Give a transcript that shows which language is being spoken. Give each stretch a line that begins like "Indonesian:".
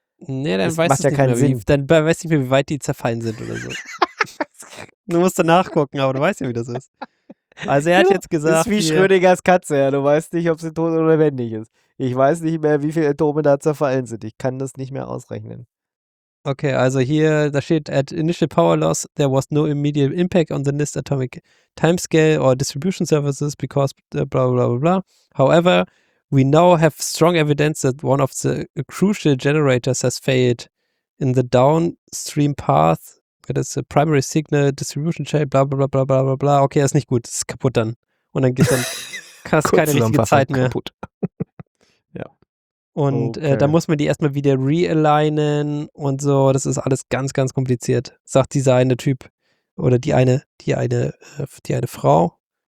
German: Nee, dann weiß ich ja nicht mehr, wie weit die zerfallen sind oder so. Du musst dann nachgucken, aber du weißt ja, wie das ist. Also er hat jetzt gesagt, ist wie Schrödingers Katze, ja. Du weißt nicht, ob sie tot oder lebendig ist. Ich weiß nicht mehr, wie viele Atome da zerfallen sind. Ich kann das nicht mehr ausrechnen. Okay, also hier, da steht,
English: at initial power loss, there was no immediate impact on the NIST atomic timescale or distribution services because blah, blah, blah, blah. However, we now have strong evidence that one of the crucial generators has failed in the downstream path.
German: Das ist Primary Signal, Distribution Chain, bla bla bla bla bla bla. Okay, das ist nicht gut, das ist kaputt dann. Und dann geht hast keine richtige Zeit mehr. Kaputt. Ja. Und okay. Da muss man die erstmal wieder realignen und so. Das ist alles ganz, ganz kompliziert, sagt dieser eine Typ. Oder die eine Frau.